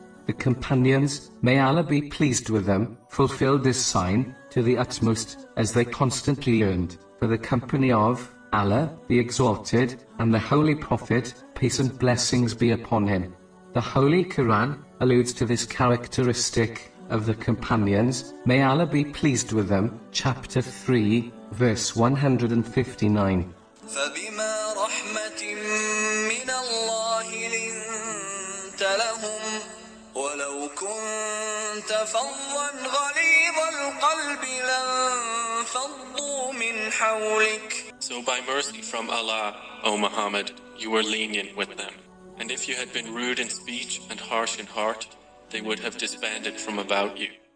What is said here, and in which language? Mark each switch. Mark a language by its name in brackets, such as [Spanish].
[English] The companions, may Allah be pleased with them, fulfilled this sign to the utmost, as they constantly yearned for the company of Allah, the Exalted, and the Holy Prophet, peace and blessings be upon him. The Holy Quran alludes to this characteristic of the companions, may Allah be pleased with them, chapter 3, verse 159. [Arabic] فبما رحمة من الله لنت لهم ولو كنت فظا غليظ القلب لانفضوا من حولك. [English] So by mercy from Allah, O Muhammad, you were lenient with them. And if you had been rude in speech and harsh in heart, they would have disbanded from about you.